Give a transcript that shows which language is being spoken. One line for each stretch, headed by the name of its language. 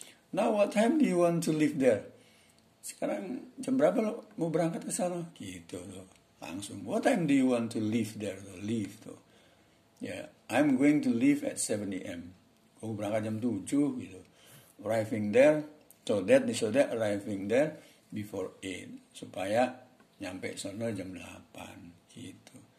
English: Now what time do you want to leave there?
Indonesian: Sekarang jam berapa lo mau berangkat ke sana? Gitu lo langsung.
English: What time do you want to leave there? Lo leave tuh. Yeah, I'm going to leave at 7 a.m.
Indonesian: Gue berangkat jam 7 gitu.
English: Arriving there, so that arriving there before 8.
Indonesian: Supaya nyampe sana jam 8 gitu.